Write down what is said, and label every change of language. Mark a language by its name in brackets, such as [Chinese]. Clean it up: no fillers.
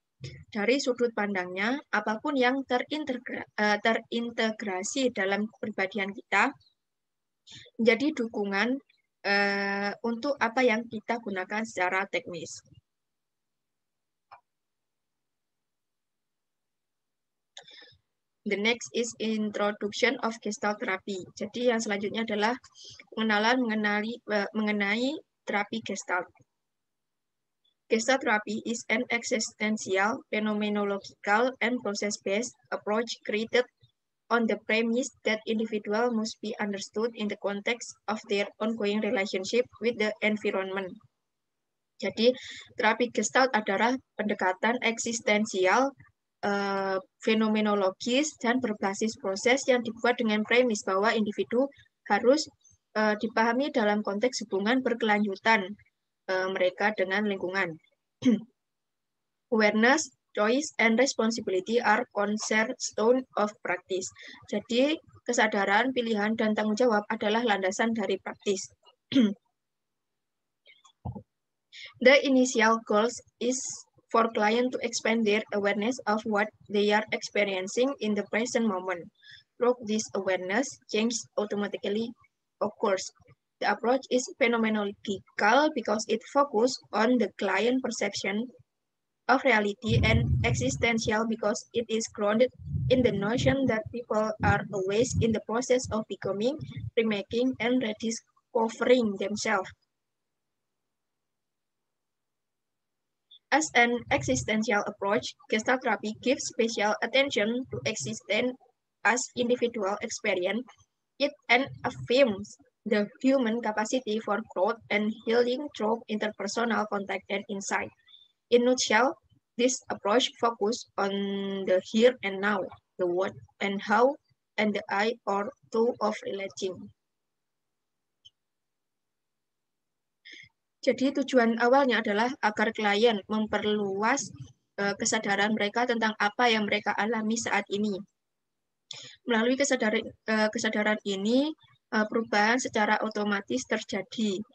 [Indonesian] Dari sudut pandangnya, apapun yang terintegrasi dalam kepribadian kita menjadi dukungan untuk apa yang kita gunakan secara teknis. [English] The next is introduction of Gestalt therapy. [Indonesian] Jadi yang selanjutnya adalah pengenalan mengenai terapi Gestalt. [English] Gestalt therapy is an existential, phenomenological, and process-based approach created on the premise that individual must be understood in the context of their ongoing relationship with the environment. [Indonesian] Jadi, terapi Gestalt adalah pendekatan eksistensial, fenomenologis, dan berbasis proses yang dibuat dengan premis bahwa individu harus dipahami dalam konteks hubungan berkelanjutan mereka dengan lingkungan. [English] Awareness, choice, and responsibility are cornerstone of practice. [Indonesian] Jadi, kesadaran, pilihan, dan tanggung jawab adalah landasan dari praktis. [English] The initial goals is for client to expand their awareness of what they are experiencing in the present moment. Through this awareness, change automatically occurs. The approach is phenomenological because it focuses on the client perception of reality and existential because it is grounded in the notion that people are always in the process of becoming, remaking, and rediscovering themselves. As an existential approach, Gestalt therapy gives special attention to existence as individual experience. It affirms the human capacity for growth and healing through interpersonal contact and insight. In nutshell, this approach focuses on the here and now, the what and how, and the I or two of relating. [Indonesian] Jadi tujuan awalnya adalah agar klien memperluas kesadaran mereka tentang apa yang mereka alami saat ini. Melalui kesadaran ini, perubahan secara otomatis terjadi.